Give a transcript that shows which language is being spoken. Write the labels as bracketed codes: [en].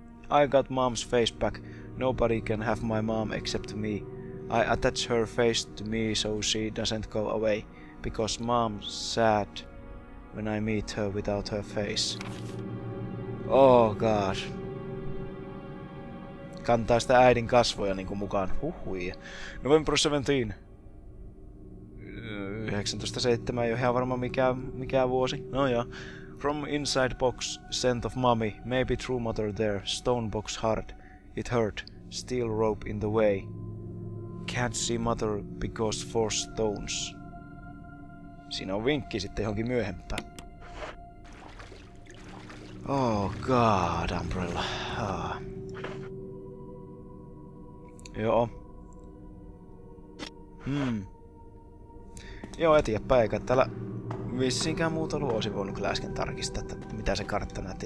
[en] I got mom's face back. Nobody can have my mom except me. I attach her face to me so she doesn't go away. Because mom's sad when I meet her without her face. Oh gosh. [fi] Kantaa sitä äidin kasvoja niinku mukaan. Huhui. November 17. 1907 ei ole ihan varma mikä vuosi. No joo. [en] From inside box, scent of mommy. Maybe true mother there. Stone box hard. It hurt. Steel rope in the way. Can't see mother because four stones. [fi] Siinä on vinkki sitten johonkin myöhempään. [en] Oh god, Umbrella. Ah. [fi] Joo. Joo, eteenpäin, eikä täällä vissinkään muuta ollut. Olisin voinut kyllä äsken tarkistaa, että mitä se kartta näytti.